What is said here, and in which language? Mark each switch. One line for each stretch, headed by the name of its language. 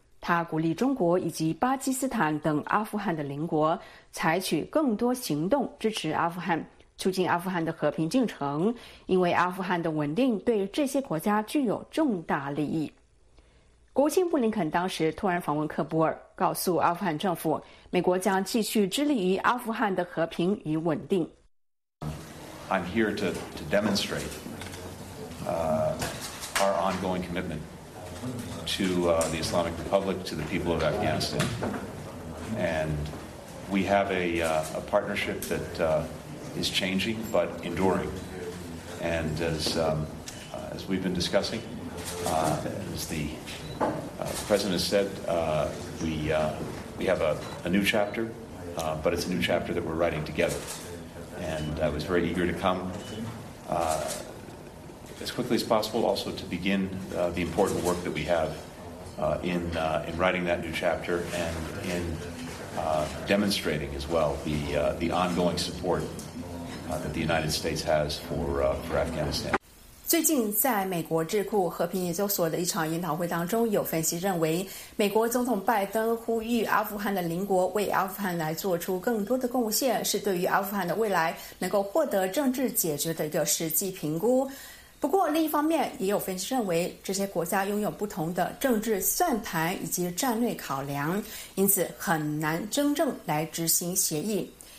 Chinese: 他鼓励中国以及巴基斯坦等阿富汗的邻国采取更多行动支持阿富汗，促进阿富汗的和平进程，因为阿富汗的稳定对这些国家具有重大利益。国务卿布林肯当时突然访问喀布尔，告诉阿富汗政府，美国将继续致力于阿富汗的和平与稳定。
English: I'm here to demonstrate our ongoing commitment to the Islamic Republic, to the people of Afghanistan, and we have a partnership that is changing but enduring. And as we've been discussing, as the president has said, we have a new chapter, but it's a new chapter that we're writing together. And I was very eager to come as quickly as possible also to begin the important work that we have in writing that new chapter and in demonstrating as well the ongoing support that the United States has for Afghanistan.
Chinese: 最近在美国智库和平研究所的一场研讨会当中，有分析认为美国总统拜登呼吁阿富汗的邻国为阿富汗来做出更多的贡献，是对于阿富汗的未来能够获得政治解决的一个实际评估。不过另一方面，也有分析认为这些国家拥有不同的政治算盘以及战略考量，因此很难真正来执行协议。